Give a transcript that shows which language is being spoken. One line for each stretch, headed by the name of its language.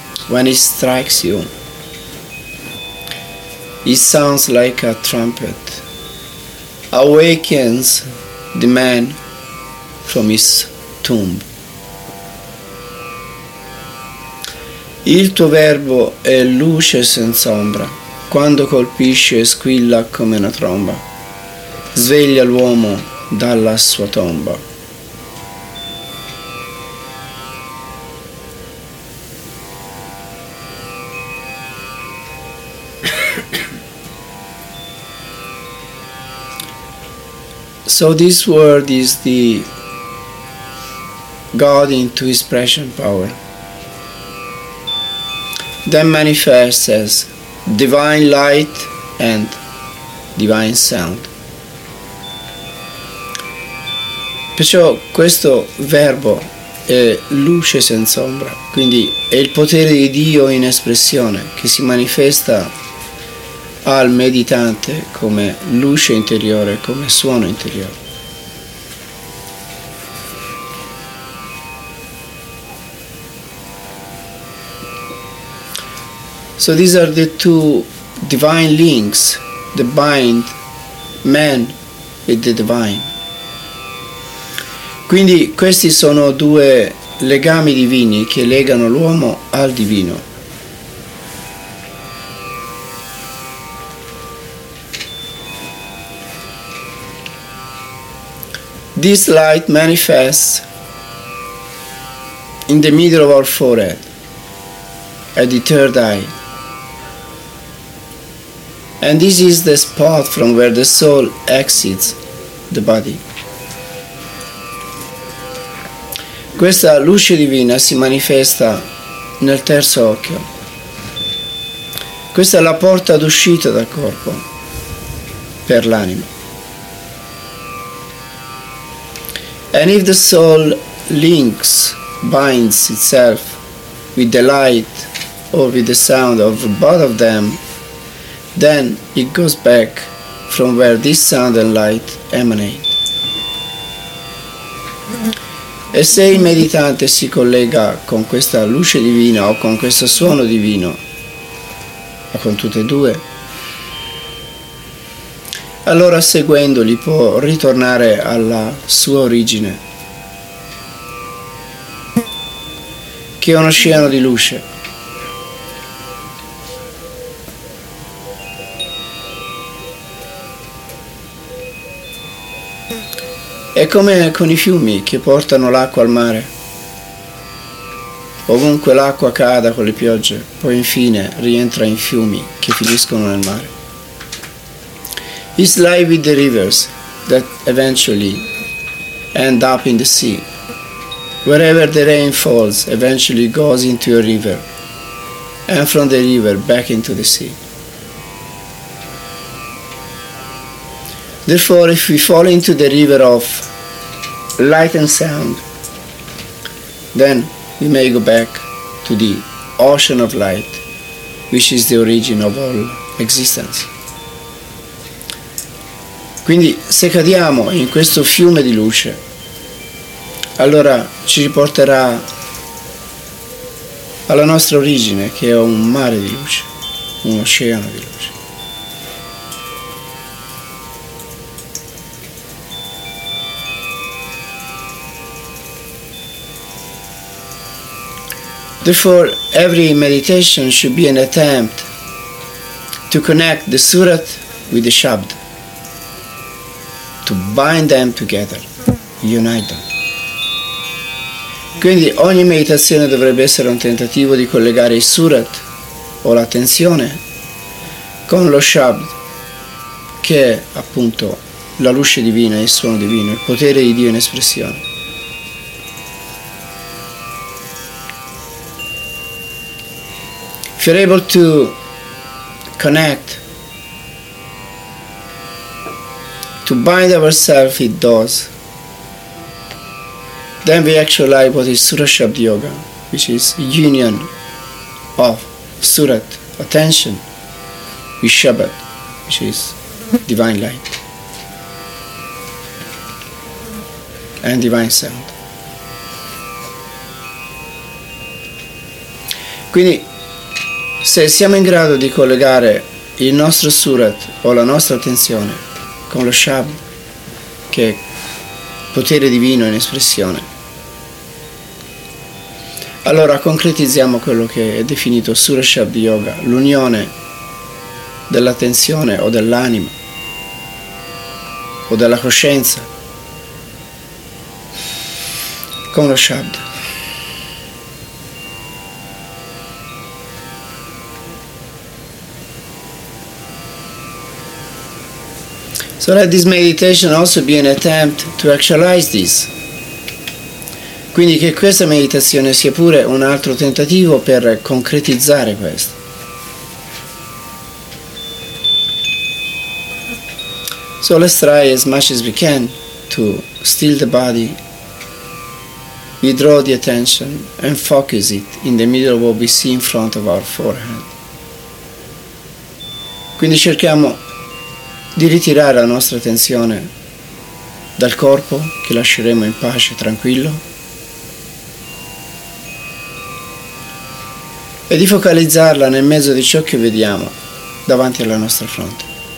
English: When it strikes you, it sounds like a trumpet, awakens the man from his tomb.
Italian: Il tuo verbo è luce senza ombra, quando colpisce squilla come una tromba, sveglia l'uomo dalla sua tomba.
English: So this word is the God into his present power, then manifests as divine light and divine sound.
Italian: Perciò questo verbo è luce senza ombra, quindi è il potere di Dio in espressione che si manifesta al meditante come luce interiore, come suono interiore.
English: So these are the two divine links that bind man with the divine.
Italian: Quindi questi sono due legami divini che legano l'uomo al divino.
English: This light manifests in the middle of our forehead, at the third eye. And this is the spot from where the soul exits the body.
Italian: Questa luce divina si manifesta nel terzo occhio. Questa è la porta d'uscita dal corpo per l'anima.
English: And if the soul links, binds itself with the light or with the sound of both of them, then it goes back from where this sound and light emanate.
Italian: E se il meditante si collega con questa luce divina o con questo suono divino, o con tutte e due, allora seguendoli può ritornare alla sua origine, che è un oceano di luce. È come con i fiumi che portano l'acqua al mare. Ovunque l'acqua cada con le piogge, poi infine rientra in fiumi che finiscono nel mare.
English: It's like with the rivers that eventually end up in the sea. Wherever the rain falls, eventually goes into a river, and from the river back into the sea. Therefore, if we fall into the river of light and sound, then we may go back to the ocean of light, which is the origin of all existence. Quindi se cadiamo in questo fiume di luce, allora ci riporterà alla nostra origine, che è un mare di luce, un oceano di luce. Therefore, every meditation should be an attempt to connect the surat with the shabd, to bind them together, unite them.
Italian: Quindi ogni meditazione dovrebbe essere un tentativo di collegare il surat o l'attenzione con lo shabd, che è appunto la luce divina, il suono divino, il potere di Dio in espressione.
English: If you're able to connect, to bind ourselves with those, then we actualize what is Surat Shabd Yoga, which is union of Surat, attention, with Shabd, which is divine light and divine sound.
Italian: Quindi se siamo in grado di collegare il nostro surat o la nostra attenzione con lo shabd, che è potere divino in espressione, Allora concretizziamo quello che è definito Sura Shabd Yoga, l'unione dell'attenzione o dell'anima o della coscienza con lo Shabd.
English: So let this meditation also be an attempt to actualize this.
Italian: Quindi che questa meditazione sia pure un altro tentativo per concretizzare questo.
English: So let's try as much as we can to still the body, withdraw the attention and focus it in the middle of what we see in front of our forehead.
Italian: Quindi cerchiamo di ritirare la nostra attenzione dal corpo, che lasceremo in pace, tranquillo, e di focalizzarla nel mezzo di ciò che vediamo davanti alla nostra fronte.